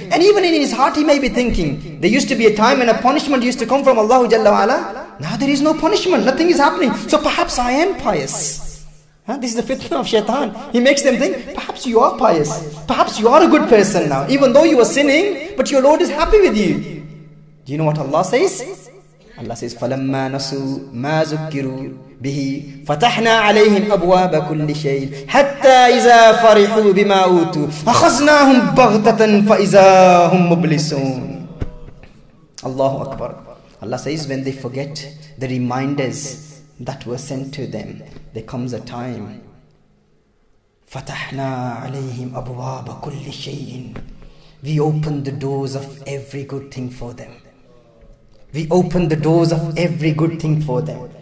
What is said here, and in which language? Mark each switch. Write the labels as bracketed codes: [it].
[en] And even in his heart he may be thinking, there used to be a time and a punishment used to come from Allah Jalla wa'ala. Now there is no punishment, nothing is happening. So perhaps I am pious. This is the fitna of shaitan. He makes them think, perhaps you are pious. Perhaps you are a good person now. Even though you are sinning, but your Lord is happy with you. Do you know what Allah says? Allah says, [ar] فَلَمَّا نَسُوا مَا ذُكِّرُوا بِهِ فَتَحْنَا عَلَيْهِمْ أَبْوَابَ كُلِّ شَيْءٍ حَتَّى إِذَا فَرِحُوا بِمَا أُوتُوا أَخَذْنَاهُمْ بَغْتَةً فَإِذَا هُمْ مُبْلِسُونَ. Allahu Akbar. [en] Allah says, when they forget the reminders that were sent to them, there comes a time. [ar] فَتَحْنَا عَلَيْهِمْ أَبْوَابَ كُلِّ شَيْءٍ. [en] We open the doors of every good thing for them. We open the doors of every good thing for them.